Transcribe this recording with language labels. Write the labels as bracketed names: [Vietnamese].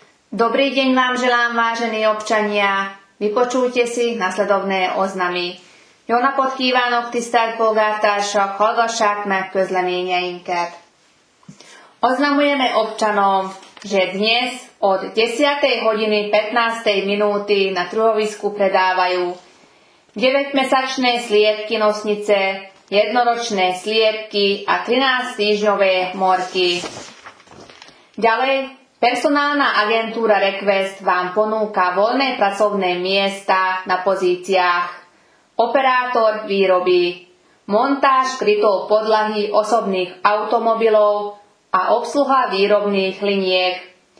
[Slovak] Dobrý deň vám želám, vážení občania. Vypočujte si nasledovné oznamy. [Hungarian] Jó napot kívánok, tisztelt polgártársak, hallgassák meg közleményeinket. [Slovak] Oznamujeme občanom, že dnes od 10. hodiny 15. minúty na truhovisku predávajú 9-mesačné sliepky nosnice, jednoročné sliepky a 13-týždňové morky. Ďalej, personálna agentúra Request vám ponúka voľné pracovné miesta na pozíciách operátor výroby, montáž krytov podlahy osobných automobilov a obsluha výrobných liniek.